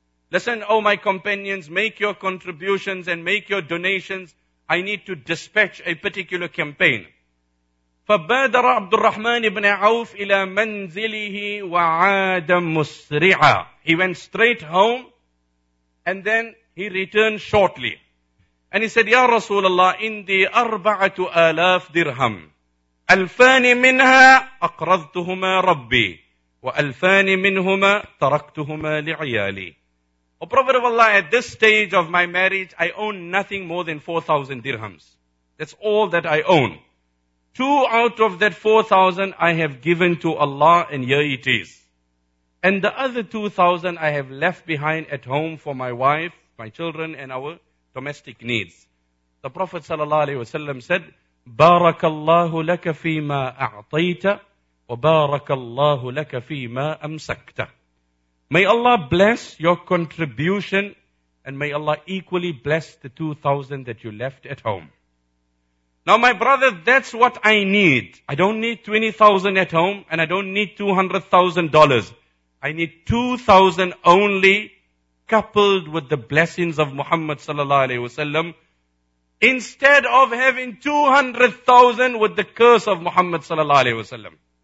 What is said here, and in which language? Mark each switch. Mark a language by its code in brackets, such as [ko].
[en] Listen, O my companions, make your contributions and make your donations. I need to dispatch a particular campaign. [ar] فَبَادَرَ عَبْدُ الرَّحْمَنِ بْنَ عَوْفِ إِلَى مَنْزِلِهِ وَعَادَ مُسْرِعًا. [en] He went straight home and then he returned shortly. And he said, [ar] يَا رَسُولَ اللَّهِ إِنِّي أَرْبَعَةُ آلَافِ دِرْهَمٍ ألفان منها أقرضتهما ربي وألفان منهما تركتهما لعيالي. [en] O Prophet of Allah, at this stage of my marriage, I own nothing more than 4,000 dirhams. That's all that I own. 2 out of that 4,000 I have given to Allah, and here it is. And the other 2,000 I have left behind at home for my wife, my children, and our domestic needs. The Prophet sallallahu alaihi wasallam said, [ar] بارك الله لك فيما أعطيت وبارك الله لك فيما أمسكت. [en] May Allah bless your contribution and may Allah equally bless the 2,000 that you left at home. Now my brother, that's what I need. I don't need 20,000 at home and I don't need $200,000. I need 2,000 only, coupled with the blessings of Muhammad sallallahu alaihi wasallam, instead of having 200,000 with the curse of Muhammad sallallahu alaihi wasallam.